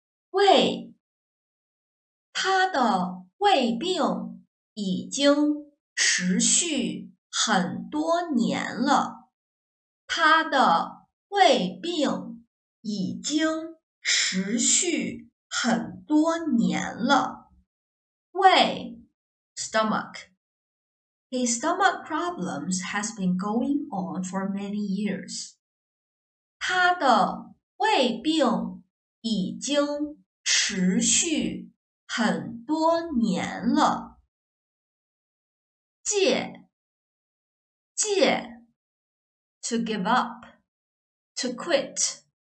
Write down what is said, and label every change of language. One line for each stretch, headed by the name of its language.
Chinese: 胃，他的胃病已经持续很多年了。他的胃病已经持续很多年了。胃
English: stomach. His stomach problems has been going on for many years.
Chinese: 他的胃病已经持续很多年了。戒
English: to give up, to quit.